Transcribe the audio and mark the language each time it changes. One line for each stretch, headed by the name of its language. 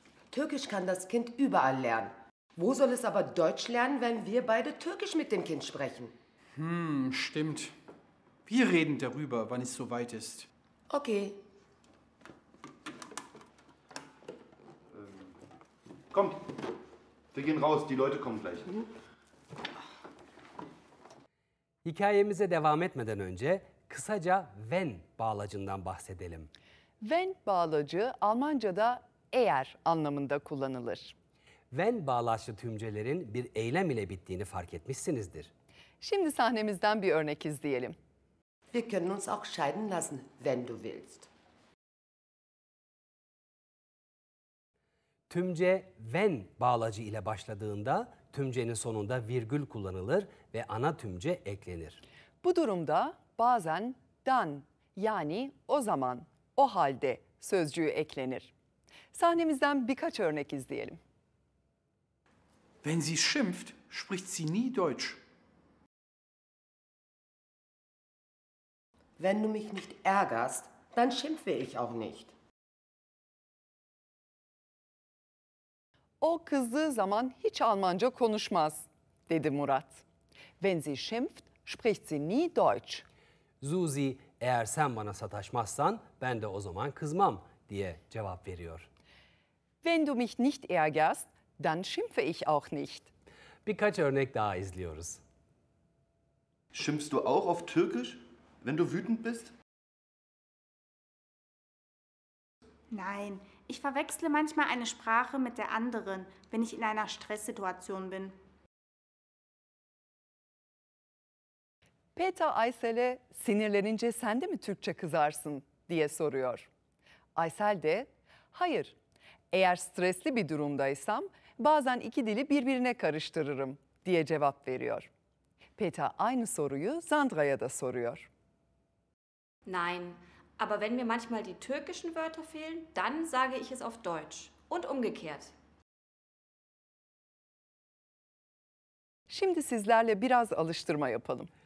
German: Türkisch kann das Kind überall lernen. Wo soll es aber Deutsch lernen, wenn wir beide Türkisch mit dem Kind sprechen? Stimmt. Wir reden darüber, wann es soweit ist. Okay. Kommt. Wir gehen raus. Die Leute kommen gleich. Mhm.
Turkish: Hikayemize devam etmeden önce kısaca wenn bağlacından bahsedelim. Wenn bağlacı Almanca'da eğer anlamında kullanılır. Wenn bağlaçlı tümcelerin bir eylem ile bittiğini fark etmişsinizdir. Şimdi sahnemizden bir örnek izleyelim.
German: Wir können uns auch scheiden lassen, wenn du willst.
Turkish: Tümce wenn bağlacı ile başladığında tümcenin sonunda virgül kullanılır ve ana tümce eklenir. Bu durumda bazen dann yani o zaman, o halde sözcüğü eklenir. Sahnemizden birkaç örnek izleyelim.
German: Wenn sie schimpft, spricht sie nie Deutsch. Wenn du mich nicht ärgerst, dann schimpfe ich auch nicht.
Turkish: O kızdığı zaman hiç Almanca konuşmaz, dedi Murat.
German: Wenn sie schimpft, spricht sie nie Deutsch.
Turkish: Susi, eğer sen bana sataşmazsan, ben de o zaman kızmam, diye cevap veriyor.
German: Wenn du mich nicht ärgerst, dann schimpfe ich auch nicht.
Turkish: Birkaç örnek daha izliyoruz.
German: Schimpfst du auch auf Türkisch, wenn du wütend bist? Nein, ich verwechsle manchmal eine Sprache mit der anderen, wenn ich in einer Stresssituation bin.
Turkish: Peter Aysel'e sinirlenince sen de mi Türkçe kızarsın diye soruyor. Aysel de hayır, eğer stresli bir durumdaysam bazen iki dili birbirine karıştırırım diye cevap veriyor. Peter aynı soruyu Sandra'ya da soruyor.
German: Nein, aber wenn mir manchmal die türkischen Wörter fehlen, dann sage ich es auf Deutsch und umgekehrt.
Turkish: Şimdi sizlerle biraz alıştırma yapalım.